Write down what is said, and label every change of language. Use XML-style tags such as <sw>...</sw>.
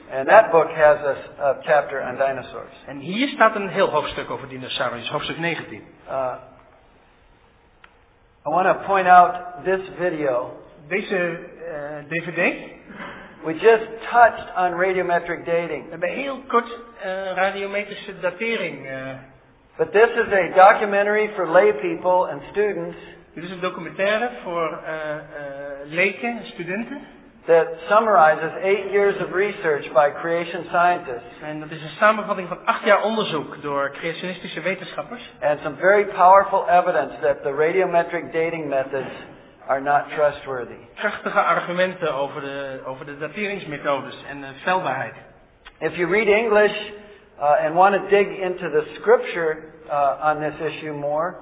<en>And that book has a chapter on dinosaurs.</en> <nl>En hier staat een heel hoofdstuk over dinosauriërs, hoofdstuk 19.</nl> <en>I want to point out this video.</en> <nl>Deze DVD.</nl> <en>We just touched on radiometric dating.</en> <nl>We hebben heel kort radiometrische datering.</nl> <en>But this is a documentary for lay people and students.</en> <nl>Dit is een documentaire voor leken, studenten.</nl> <en>That summarizes 8 years of research by creation scientists.</en> <nl>En dat is een samenvatting van 8 jaar onderzoek door creationistische wetenschappers.</nl> <en>And some very powerful evidence that the radiometric dating methods are not trustworthy.</en> <nl>Krachtige argumenten over de dateringsmethodes en de feilbaarheid.</nl> <en>If you read English and want to dig into the scripture on this issue more,</en>